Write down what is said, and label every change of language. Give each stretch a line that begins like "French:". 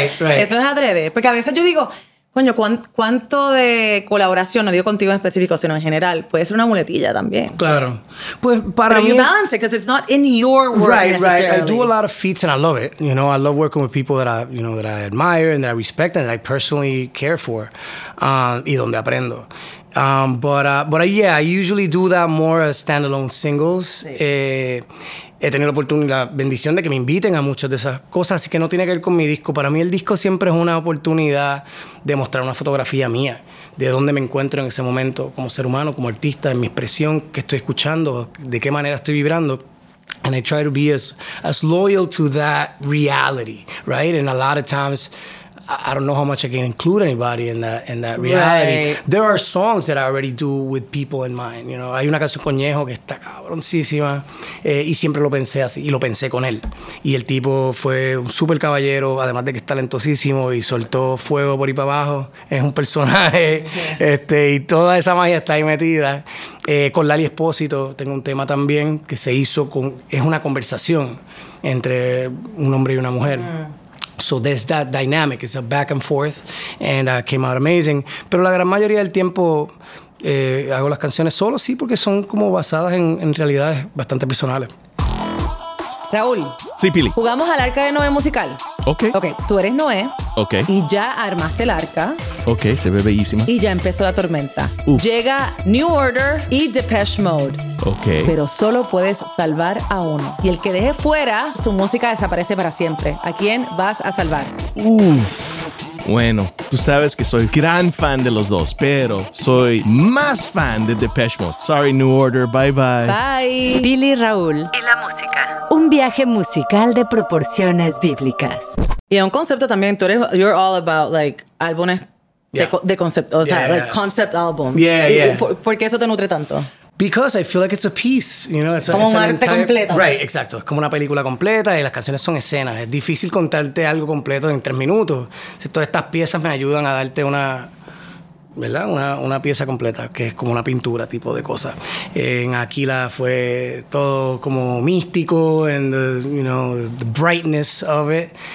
English: Right.
Spanish: Eso es adrede, porque a veces yo digo, coño, ¿cuánto de colaboración, no digo contigo en específico, sino en general, puede ser una muletilla también? Claro. Pues para pero mí...
English: Pero you balance it, because it's not in your world necessarily. Right. I do a lot of feats and I love it. You know, I love working with people that I admire and that I respect and that I personally care for.
Spanish: Y donde aprendo.
English: But I usually do that more as standalone singles.
Spanish: He tenido la oportunidad, la bendición de que me inviten a muchas de esas cosas, así que no tiene que ver con mi disco. Para mí el disco siempre es una oportunidad de mostrar una fotografía mía, de dónde me encuentro en ese momento como ser humano, como artista, en mi expresión, qué estoy escuchando, de qué manera estoy vibrando.
English: And I try to be as loyal to that reality, right? And a lot of times, I don't know how much I can include anybody in that reality. Right. There are songs that I already do with people in mind. You know,
Spanish: hay una canción con Ñejo que está cabroncísima, y siempre lo pensé así, y lo pensé con él. Y el tipo fue un súper caballero, además de que es talentosísimo y soltó fuego por ahí para abajo. Es un personaje, y toda esa magia está ahí metida. Con Lali Espósito tengo un tema también que se hizo con, es una conversación. entre un hombre y una mujer.
English: So there's that dynamic, it's a back and forth, and came out amazing.
Spanish: Pero la gran mayoría del tiempo hago las canciones solo, sí, porque son como basadas en realidades bastante personales. Raúl. Sí, Pili. Jugamos al arca de Noé musical. Ok. Ok, tú eres Noé. Ok. Y ya armaste el arca. Ok, se ve bellísima. Y ya empezó la tormenta. Llega New Order y Depeche Mode. Ok. Pero solo puedes salvar a uno. Y el que deje fuera, su música desaparece para siempre. ¿A quién vas a salvar? Bueno, tú sabes que soy gran fan de los dos, pero soy más fan de Depeche Mode.
English: Sorry, New Order. Bye, bye. Bye.
Spanish: Pili, Raúl. Y la música. Un viaje musical de proporciones bíblicas. Y un concepto también. Tú eres,
English: you're all about, like,
Spanish: álbumes de concepto. O sea,
English: like, concept albums. Yeah.
Spanish: ¿Por qué eso te nutre tanto?
English: Because I feel like it's a piece, you know, it's
Spanish: como un arte entire, completo. Right, exacto. Es como una película completa y las canciones son escenas. Es difícil contarte algo completo en 3 minutos. Entonces, todas estas piezas me ayudan a darte una, ¿verdad? Una pieza completa, que es como una pintura tipo de cosas. En Aquila fue todo como místico,
English: and the, you know, the brightness of it.